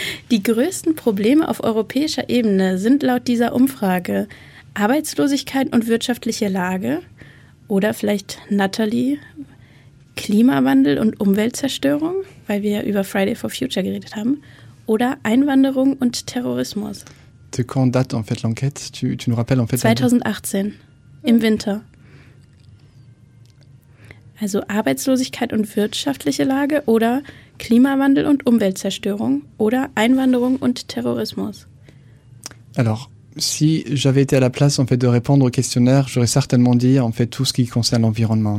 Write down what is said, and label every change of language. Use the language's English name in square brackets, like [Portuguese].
[German] die größten Probleme auf europäischer Ebene sind laut dieser Umfrage Arbeitslosigkeit und wirtschaftliche Lage oder vielleicht Nathalie, Klimawandel und Umweltzerstörung, weil wir ja über Friday for Future geredet haben, oder Einwanderung und Terrorismus. [French] De quand date en fait l'enquête? Tu nous rappelles en fait [German] 2018, im Winter. Also Arbeitslosigkeit und wirtschaftliche Lage oder Klimawandel und Umweltzerstörung oder Einwanderung und Terrorismus. [French] Alors, si j'avais été à la place en fait de répondre au questionnaire, j'aurais certainement dit en fait tout ce qui concerne l'environnement.